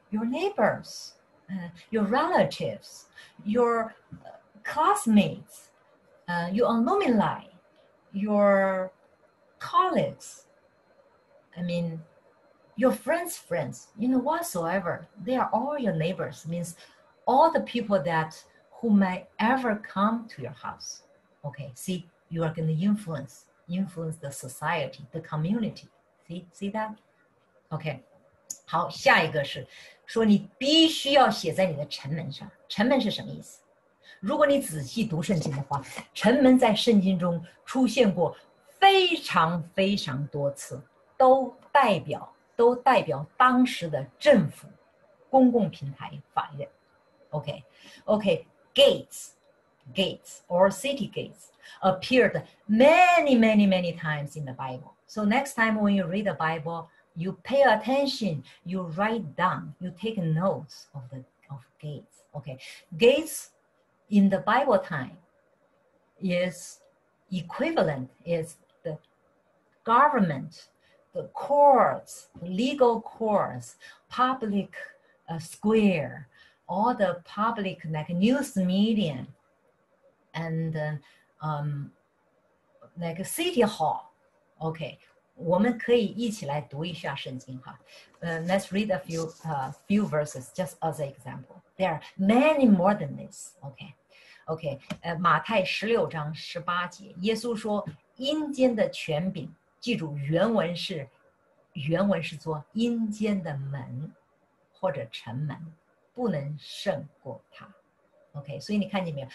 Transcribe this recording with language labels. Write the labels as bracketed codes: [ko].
[en] Your neighbors, your relatives, your classmates, your alumni, your colleagues, I mean, your friends' friends, you know, whatsoever. They are all your neighbors, means all the people that who might ever come to your house. Okay, see, you are going to influence the society, the community. See that? Okay. [zh] 好，下一个是说你必须要写在你的城门上。城门是什么意思？如果你仔细读圣经的话，城门在圣经中出现过非常非常多次，都代表当时的政府、公共平台、法院。 [en] OK, gates or city gates appeared many, many, many times in the Bible. So next time when you read the Bible,You pay attention, you write down, you take notes of gates. Okay, gates in the Bible time is equivalent, is the government, the courts, legal courts, public square, all the public like news media, and like city hall. Okay. [zh] 我们可以一起来读一下圣经哈。 [en] Let's read a few verses just as an example. There are many more than this. Okay. [zh] 马太十六章十八节，耶稣说：“阴间的权柄，记住原文是说阴间的门或者城门不能胜过他。”OK， 所以你看见没有？